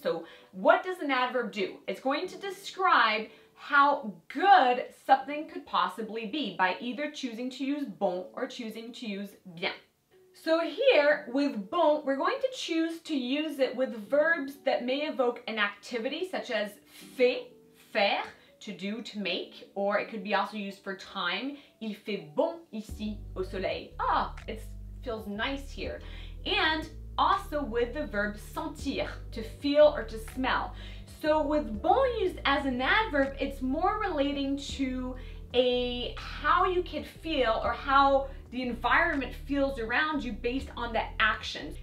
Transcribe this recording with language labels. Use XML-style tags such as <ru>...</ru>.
<en>So what does an adverb do? It's going to describe how good something could possibly be by either choosing to use bon or choosing to use bien. So here with bon, we're going to choose to use it with verbs that may evoke an activity such as fait, faire, to do, to make, or it could be also used for time.</en> <fr>Il fait bon ici au soleil.</fr> <en>Ah, it feels nice here. And also with the verb sentir, to feel or to smell. So with bon used as an adverb, it's more relating to a how you can feel or how the environment feels around you based on the actions.</en>